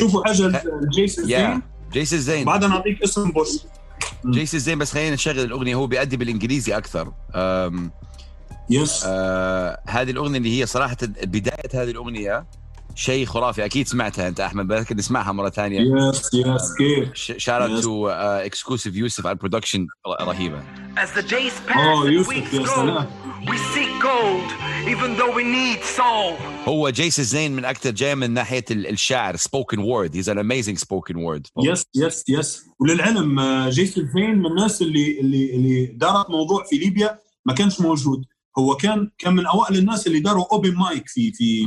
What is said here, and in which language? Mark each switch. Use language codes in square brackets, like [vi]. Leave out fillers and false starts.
[ar] شوفوا حاجة جيس زين جيس زين بعد نعطيك اسم بوست جيس زين بس خلينا نشغل الأغنية هو بيأدي بالإنجليزي أكثر [en] yes. [ar] هذه الأغنية اللي هي صراحة بداية هذه الأغنية شيء خرافي أكيد سمعتها أنت أحمد بس نسمعها مرة ثانية [en] yes, yes, shout out yes. to exclusive Yusuf [ar] على البرودكشن رهيبة [en] as the days pass we seek gold even though we need soul [ar] هو جيس زين من أكثر جاي من ناحية الشعر [en] spoken word he's an amazing spoken word oh. yes yes yes [ar] وللعلم جيس زين من الناس اللي دارت موضوع في ليبيا ما كانش موجود هو كان من أوائل الناس اللي داروا أوبن مايك في